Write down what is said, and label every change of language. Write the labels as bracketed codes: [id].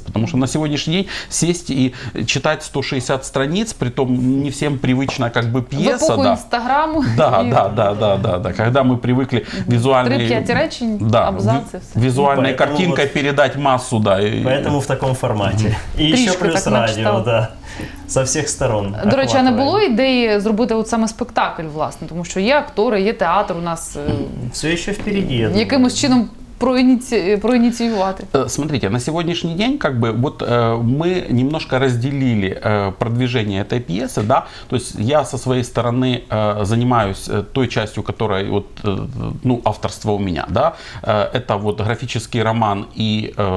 [ru] Потому что на сегодняшний день сесть и читать 160 страниц, при том не всем привычна, как бы, пьеса. В эпоху Инстаграму. Да. Когда мы привыкли визуальные... 3-5 речень, да, абзацы. Визуальной картинкой вот передать массу, да. Поэтому в таком формате. И еще плюс радио, да. Со всех сторон. [uk] До речі, а не було ідеї зробити от саме спектакль, власне? Тому що є актори, є театр у нас. Все ще впереді. Якимось чином проинициировать. [ru] Смотрите, на сегодняшний день, как бы, вот мы немножко разделили продвижение этой пьесы, да, то есть я со своей стороны занимаюсь той частью, которая вот, ну, авторство у меня, да, это вот графический роман и